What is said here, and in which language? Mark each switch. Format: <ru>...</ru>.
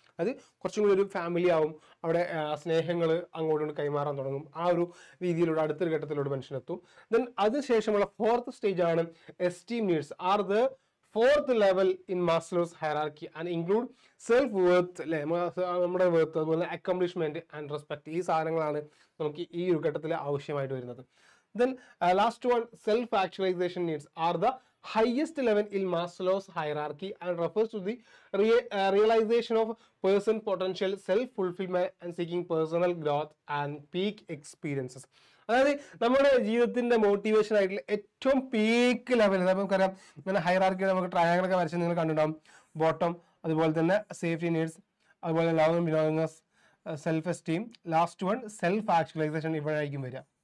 <ml>അത് കുറച്ചും കൂടി ഒരു ഫാമിലി ആവും, അവിടെ സ്നേഹങ്ങൾ അങ്ങോട്ടും കൈമാറാൻ തുടങ്ങും, ആ ഒരു രീതിയിലൂടെ അടുത്തൊരു ഘട്ടത്തിലൂടെ മനുഷ്യനെത്തും.</ml> <en>then അതിനുശേഷമുള്ള fourth stage ആണ് esteem needs, are the fourth level in Maslow's hierarchy and include self worth</en> <ml>അല്ലേ, നമ്മുടെ വെർത്ത്, അതുപോലെ</ml> <en>Accomplishment and respect.</en> <ml>ഈ സാധനങ്ങളാണ് നമുക്ക് ഈ ഒരു ഘട്ടത്തിൽ ആവശ്യമായിട്ട് വരുന്നത്.</ml> <en>Then last one self actualization needs are the highest level in Maslow's hierarchy and refers to the realization of person potential, self fulfillment and seeking personal growth and peak experiences.</en> <ml>അതായത് നമ്മുടെ ജീവിതത്തിന്റെ മോട്ടിവേഷൻ ആയിട്ടുള്ള ഏറ്റവും peak level, നമുക്കറിയാം ഇങ്ങനെ hierarchy നമുക്ക് triangle ഒക്കെ വരച്ച് നിങ്ങൾ കണ്ടിട്ടുണ്ടാവും, ബോട്ടം, അതുപോലെ തന്നെ സേഫ്റ്റി നീഡ്സ്, അതുപോലെ</ml> <en>love and belongingness,</en> <ml>self esteem, last one self actualization ഇവിടെയായിരിക്കും വരിക.</ml>